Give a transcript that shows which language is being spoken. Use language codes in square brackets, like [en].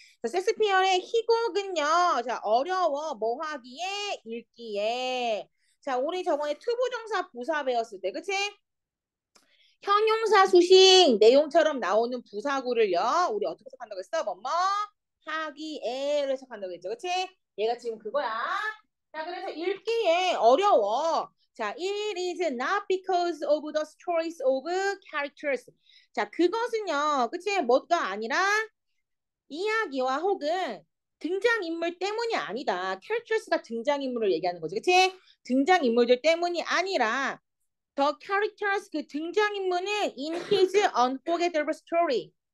[ko] 자, 셰익스피어의 희곡은요. 자, 어려워 뭐 하기에 읽기에. 자, 우리 저번에 투부정사 부사 배웠을 때, 그치? 형용사 수식 내용처럼 나오는 부사구를요. 우리 어떻게 해석한다고 했어? 뭐뭐 하기에를 해석한다고 했죠. 그치? 얘가 지금 그거야. 자, 그래서 읽기에 어려워. [en] 자, it is not because of the choice of characters. [ko] 자, 그것은요, 그치? 뭐가 아니라 이야기와 혹은 등장인물 때문이 아니다. 캐릭터스가 등장인물을 얘기하는 거지, 그치? 등장인물들 때문이 아니라 [en] the characters, [ko] 그 등장인물은 [en] in his unforgettable story.